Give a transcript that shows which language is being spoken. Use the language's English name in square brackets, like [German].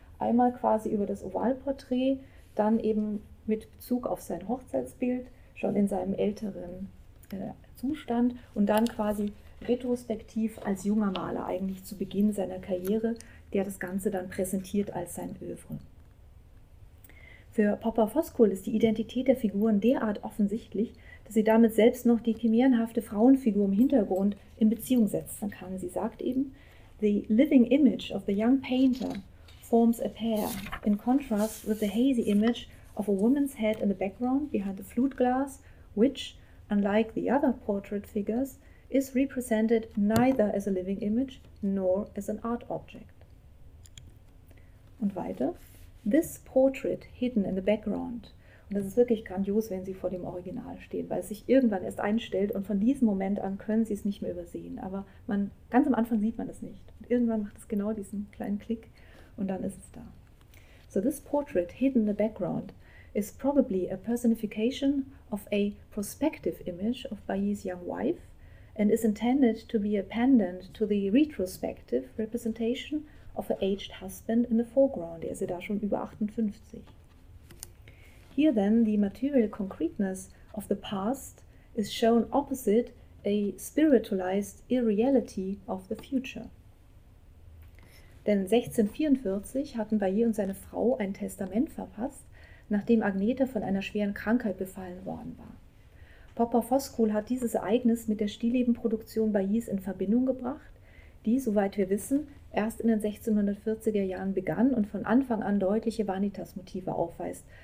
[German] Einmal quasi über das Ovalporträt, dann eben mit Bezug auf sein Hochzeitsbild, schon in seinem älteren Zustand und dann quasi retrospektiv als junger Maler eigentlich zu Beginn seiner Karriere, der das Ganze dann präsentiert als sein Œuvre. Für Papa Foscolo ist die Identität der Figuren derart offensichtlich, dass sie damit selbst noch die chimärenhafte Frauenfigur im Hintergrund in Beziehung setzen kann. Sie sagt eben: [English] "The living image of the young painter forms a pair in contrast with the hazy image of a woman's head in the background behind the flute glass, which, unlike the other portrait figures, is represented neither as a living image nor as an art object." [German] Und weiter: [English] "This portrait hidden in the background." [German] Und das ist wirklich grandios, wenn Sie vor dem Original stehen, weil es sich irgendwann erst einstellt und von diesem Moment an können Sie es nicht mehr übersehen. Aber man, ganz am Anfang sieht man es nicht. Und irgendwann macht es genau diesen kleinen Klick und dann ist es da. [English] "So this portrait hidden in the background is probably a personification of a prospective image of Bailly's young wife and is intended to be a pendant to the retrospective representation of her aged husband in the foreground." [German] Er ist ja da schon über 58. [English] "Here then the material concreteness of the past is shown opposite a spiritualized irreality of the future." [German] Denn 1644 hatten Bailly und seine Frau ein Testament verfasst, nachdem Agnete von einer schweren Krankheit befallen worden war. Papa Foscolo hat dieses Ereignis mit der Stilllebenproduktion Baillys in Verbindung gebracht, die, soweit wir wissen, erst in den 1640er Jahren begann und von Anfang an deutliche Vanitas-Motive aufweist.